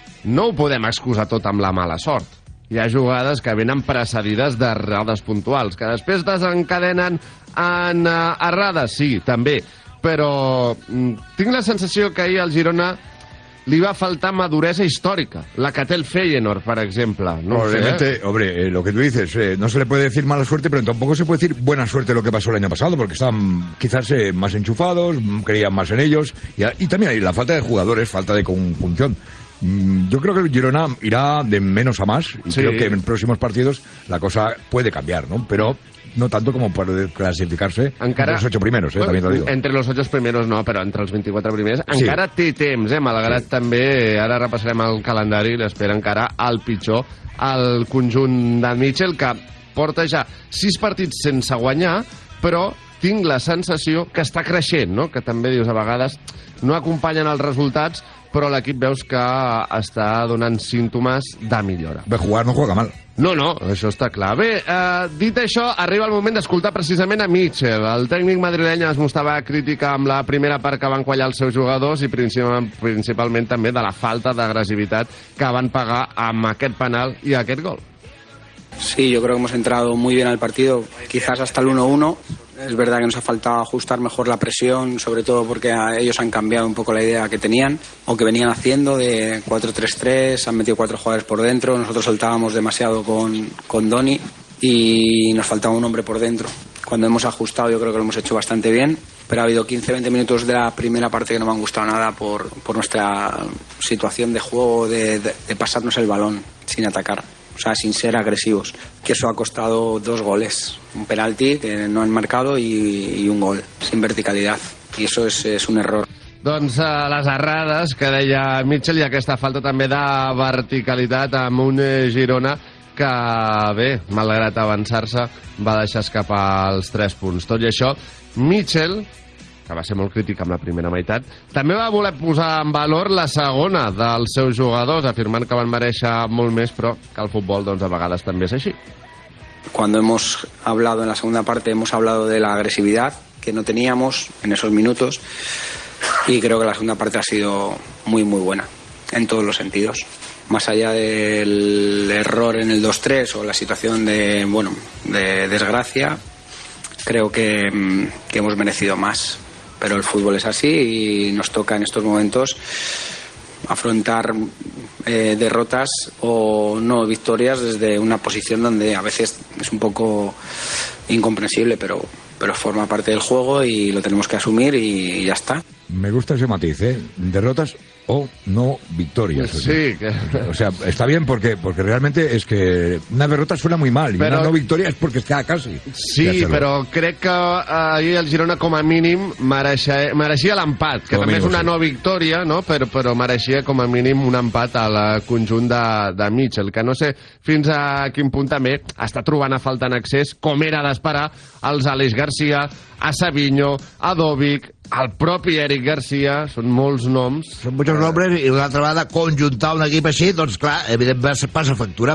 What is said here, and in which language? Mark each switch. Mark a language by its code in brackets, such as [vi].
[ca] No ho podem excusar tot amb la mala sort. Hi ha jugades que venen precedides d'errades puntuals, que després desencadenen en errades, sí, també. Però tinc la sensació que ahir al Girona li va faltar maduresa històrica, la que té el Feyenoord, per exemple. [es] Lo que tú dices, no se le puede decir mala suerte, pero tampoco se puede decir buena suerte lo que pasó el año pasado, porque estaban quizás más enchufados, creían más en ellos, y también hay la falta de jugadores, falta de conjunción. Yo creo que el Girona irá de menos a más y sí. Creo que en próximos partidos la cosa puede cambiar, ¿no? Pero no tanto como para clasificarse [ca] encara, [es] entre los 8 primeros, bueno, también te lo digo. Entre los 8 primeros no, pero entre los 24 primeros sí. [ca] Encara té temps, malgrat sí. També ara repassarem el calendari i l'espera encara al pitjor al conjunt de Mitchell, que porta ja 6 partits sense guanyar, però tinc la sensació que està creixent, no? Que també dius a vegades no acompanyen els resultats, però l'equip veus que està donant símptomes de millora. [es] Bé, jugar no juega mal. [ca] No, això està clar. Bé, dit això, arriba el moment d'escoltar precisament a Mitchell. El tècnic madrileny es mostrava crítica amb la primera part que van quallar els seus jugadors i principalment també de la falta d'agressivitat que van pagar amb aquest penal i aquest gol. [es] Sí, yo creo que hemos entrado muy bien al partido, quizás hasta el 1-1. Es verdad que nos ha faltado ajustar mejor la presión, sobre todo porque ellos han cambiado un poco la idea que tenían o que venían haciendo de 4-3-3, han metido 4 jugadores por dentro, nosotros saltábamos demasiado con Doni y nos faltaba un hombre por dentro. Cuando hemos ajustado yo creo que lo hemos hecho bastante bien, pero ha habido 15-20 minutos de la primera parte que no me han gustado nada por nuestra situación de juego, de pasarnos el balón sin atacar. o sea, sin ser agresivos. Que eso ha costado dos goles, un penalti que no han marcado y un gol sin verticalidad. Y eso es un error. [ca] Doncs les errades que deia Mitchell i aquesta falta també de verticalitat amb un Girona que, bé, malgrat avançar-se, va deixar escapar els 3 punts. Tot i això, Mitchell, que va ser molt crític amb la primera meitat, també va voler posar en valor la segona dels seus jugadors, afirmant que van mereixer molt més, però que el futbol, doncs, a vegades també és així. [es] Cuando hemos hablado en la segunda parte, hemos hablado de la agresividad que no teníamos en esos minutos, y creo que la segunda parte ha sido muy, muy buena, en todos los sentidos. Más allá del error en el 2-3 o la situación de, bueno, de desgracia, creo que hemos merecido más. Pero el fútbol es así y nos toca en estos momentos afrontar derrotas o no victorias desde una posición donde a veces es un poco incomprensible, pero forma parte del juego y lo tenemos que asumir y ya está. Me gusta ese matiz, ¿eh? Derrotas o no victorias. Sí. O sea, está bien porque realmente es que una derrota suena muy mal, pero, y una no victoria es porque está casi. Sí, pero creo que ahí el Girona como mínimo merecía el empat, que también es una no victoria, ¿no? Pero merecía como mínimo [ca] un empat al conjunt de Mitchell, que no sé fins a quin punt també està trobant a faltar en accés, com era d'esperar, els Àlex García, a Savinho, a Dovic, al propi Eric García, són molts noms. Són molts nombres i una altra vegada conjuntar un equip així, doncs clar, evidentment passa factura.